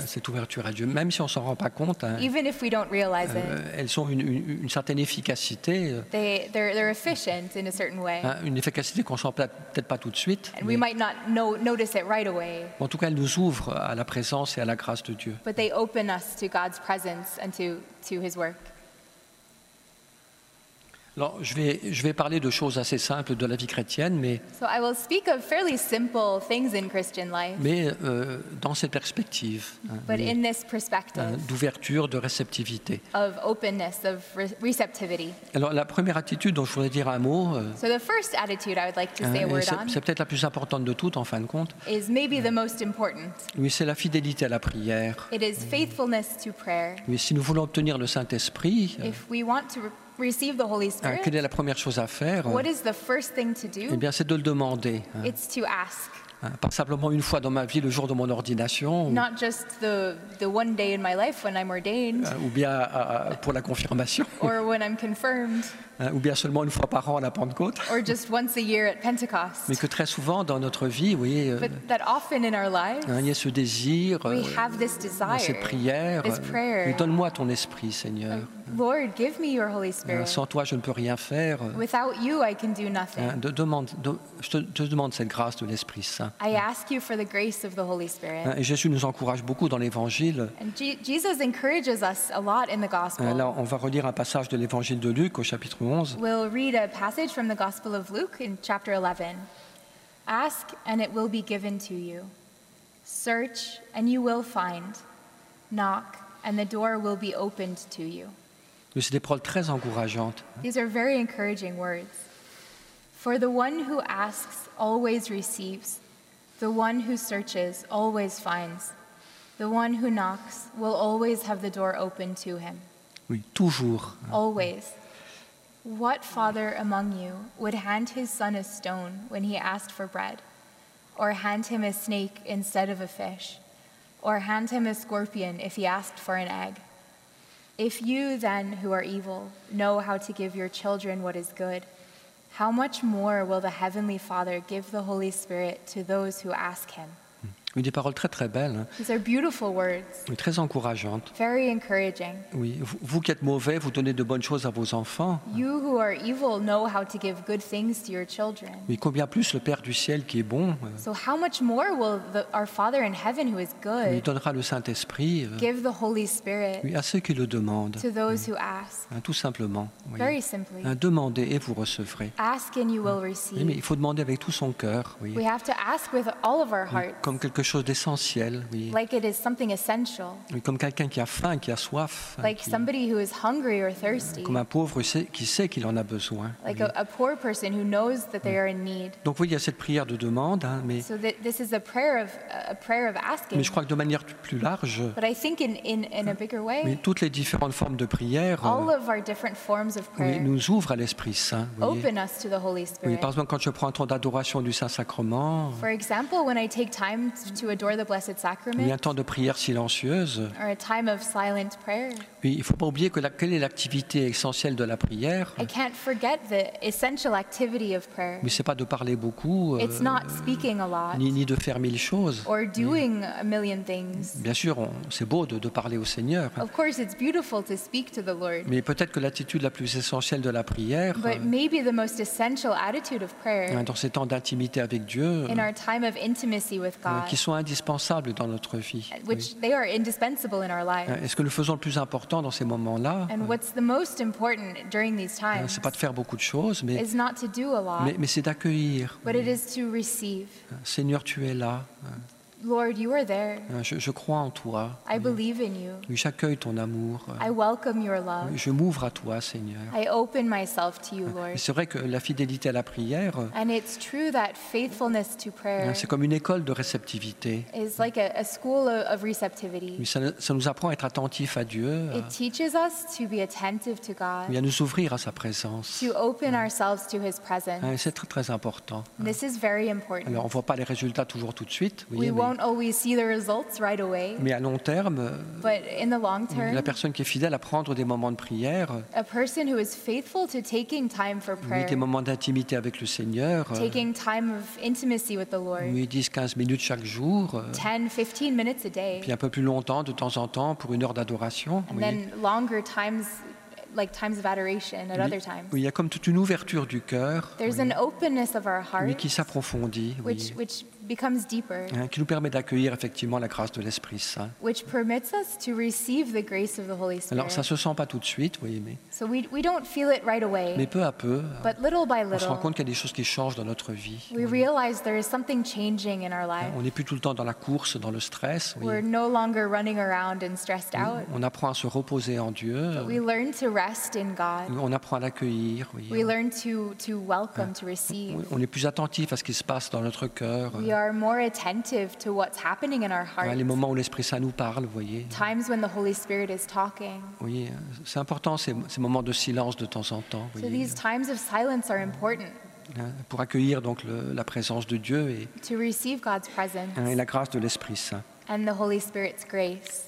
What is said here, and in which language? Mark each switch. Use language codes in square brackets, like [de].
[fr] Cette ouverture à Dieu, même si on s'en rend pas compte, [en] even if we don't realize it, [fr] elles ont une certaine efficacité. [en] They're efficient in a certain way. [fr] Une efficacité qu'on sent peut-être pas tout de suite. [en] And we might not notice it right away. [fr] En tout cas, elles nous ouvrent à la présence et à la grâce de Dieu. [en] But they open us to God's presence and to His work. [fr] Alors, je vais parler de choses assez simples de la vie chrétienne, mais [en] so I will speak of fairly simple things in Christian life. [fr] Mais dans cette perspective, [en] but in this perspective, [fr] d'ouverture, de réceptivité. [en] Of openness, of receptivity. [fr] Alors, la première attitude dont je voudrais dire un mot, [en] so the first attitude I would like to say a word [fr] on, c'est peut-être la plus importante de toutes, en fin de compte, [en] is maybe the most important. [fr] Oui, c'est la fidélité à la prière. [en] It is faithfulness to prayer. [fr] Oui, si nous voulons obtenir le Saint-Esprit, [en] if we want to receive the Holy Spirit, [fr] quelle est la première chose à faire? [en] What is the first thing to do? [fr] Eh bien, c'est de le demander. [en] It's to ask. [fr] Pas simplement une fois dans ma vie, le jour de mon ordination. [en] Not just the one day in my life when I'm ordained. [fr] Ou bien pour la confirmation. [en] Or when I'm confirmed. [fr] Ou bien seulement une fois par an à la Pentecôte. [en] Or just once a year at Pentecost. [fr] Mais que très souvent dans notre vie, vous voyez, [en] but that often in our lives, [fr] il y a ce désir, [en] we have this desire, [fr] cette prière, [en] this prayer, [fr] donne-moi ton esprit, Seigneur. [en] Lord, give me your Holy Spirit. [fr] Sans toi, je ne peux rien faire. [en] Without you, I can do nothing. [fr] Je te demande cette grâce de l'Esprit Saint. [en] I ask you for the grace of the Holy Spirit. [fr] Et Jésus nous encourage beaucoup dans l'Évangile. [en] And Jesus encourages us a lot in the Gospel. [fr] Là, on va relire un passage de l'Évangile de Luc au chapitre 11. [en] We'll read a passage from the Gospel of Luke in chapter 11. Ask, and it will be given to you. Search, and you will find. Knock, and the door will be opened to you. [fr] Mais c'est des paroles très encourageantes. [en] These are very encouraging words. For the one who asks always receives. The one who searches always finds. The one who knocks will always have the door open to him. [fr] Oui, toujours. [en] Always. What father among you would hand his son a stone when he asked for bread? Or hand him a snake instead of a fish? Or hand him a scorpion if he asked for an egg? If you then, who are evil, know how to give your children what is good, how much more will the Heavenly Father give the Holy Spirit to those who ask him? [fr] Oui, des paroles très très belles. [en] These are beautiful words. [fr] Oui, très encourageantes. [en] Very encouraging. [fr] Oui, vous qui êtes mauvais, vous donnez de bonnes choses à vos enfants. [en] You who are evil know how to give good things to your children. [fr] Oui, combien plus le Père du ciel qui est bon. [en] So how much more will our Father in heaven who is good. [fr] Il donnera le Saint-Esprit. [en] Give the Holy Spirit. [fr] Oui, à ceux qui le demandent. [en] To those who ask. [fr] Tout simplement. Oui. [en] Very simply. [fr] Demandez et vous recevrez. [en] Ask and you will receive. [fr] Oui, mais il faut demander avec tout son cœur. Oui. [en] We have to ask with all of our hearts. [fr] Comme quelque chose d'essentiel, oui. [en] Like it is something essential. [fr] Oui, comme quelqu'un qui a faim, qui a soif. [en] Like somebody who is hungry or thirsty. [fr] Comme un pauvre qui sait qu'il en a besoin. [en] Like a poor person who knows that they are in need. [fr] Donc oui, il y a cette prière de demande, mais. [en] So this is a prayer of asking. [fr] Mais je crois que de manière plus large. [en] But I think in a bigger way. [fr] Oui, toutes les différentes formes de prière. [en] All of our different forms of prayer. [fr] Oui, nous ouvrent à l'Esprit Saint. [en] Open us to the Holy Spirit. [fr] Oui, par exemple, quand je prends un temps d'adoration du Saint-Sacrement. [en] For example, when I take time to adore the Blessed Sacrament, [fr] un temps de prière silencieuse, [en] or a time of silent prayer, [fr] oui, il ne faut pas oublier quelle est l'activité essentielle de la prière. [en] I can't forget the essential activity of prayer. [fr] Mais ce n'est pas de parler beaucoup, [en] it's not speaking a lot, [fr] ni de faire mille choses. [en] Or doing a million things. [fr] Bien sûr, c'est beau de parler au Seigneur. [en] Of course, it's beautiful to speak to the Lord. [fr] Mais peut-être que l'attitude la plus essentielle de la prière, [en] but maybe the most essential attitude of prayer, [fr] dans ces temps d'intimité avec Dieu, [en] in our time of intimacy with God, [fr] qui sont indispensables dans notre vie, [en] which they are indispensable in our lives. [fr] Est-ce que nous faisons le plus important dans ces moments-là? [en] And what's the most important during these times? [fr] C'est pas de faire beaucoup de choses, mais [en] is not to do a lot, [fr] mais c'est d'accueillir. [en] But it is to receive. [fr] Seigneur, tu es là. [en] Lord, you are there. [fr] Je crois en toi. [en] I believe in you. [fr] J'accueille ton amour. [en] I welcome your love. [fr] Je m'ouvre à toi, Seigneur. [en] I open myself to you, Lord. [fr] C'est vrai que la fidélité à la prière, [en] and it's true that faithfulness to prayer, [fr] c'est comme une école de réceptivité. [en] It's like a school of receptivity. [fr] Ça nous apprend à être attentif à Dieu. [en] It teaches us to be attentive to God. [fr] À nous ouvrir à sa présence. [en] To open ourselves to his presence. [fr] C'est très très important. [en] This is very important. [fr] Alors on voit pas les résultats toujours tout de suite, oui. [en] We won't always see the results right away. [fr] Mais à long terme, [en] but in the long term, [fr] la personne qui est fidèle à prendre des moments de prière, [en] a person who is faithful to taking time for prayer, [fr] des moments d'intimité avec le Seigneur, [en] taking time of intimacy with the Lord, [fr] 10-15 minutes chaque jour, [en] 10-15 minutes a day, [fr] puis un peu plus longtemps de temps en temps pour une heure d'adoration, [en] and then longer times, like times of adoration at other times. [fr] Il y a comme toute une ouverture du cœur, [en] there's an openness of our hearts, [fr] qui s'approfondit, [en] which becomes deeper, [fr] qui nous permet d'accueillir effectivement la grâce de l'Esprit Saint, [en] which permits us to receive the grace of the Holy Spirit. [fr] Alors ça se sent pas tout de suite, oui, mais [en] so we don't feel it right away, [fr] mais peu à peu, [en] but little by little, [fr] on se rend compte qu'il y a des choses qui changent dans notre vie, [en] we realize there is something changing in our lives. [fr] On n'est plus tout le temps dans la course, dans le stress, oui. [en] We're no longer running around and stressed out. [fr] On apprend à se reposer en Dieu, [en] but we learn to rest in God. [fr] On apprend à l'accueillir, oui. [en] We learn to welcome, to receive. [fr] On est plus attentif à ce qui se passe dans notre cœur. [en] We are more attentive to what's happening in our hearts. [fr] Les moments où l'Esprit Saint nous parle, vous voyez. [en] Times when the Holy Spirit is talking. [fr] Oui, c'est important ces moments de silence de temps en temps. [en] So these times of silence are important. [fr] Pour accueillir donc la présence de Dieu et [en] to receive God's presence. [fr] Et la grâce de l'Esprit Saint. [en] And the Holy Spirit's grace.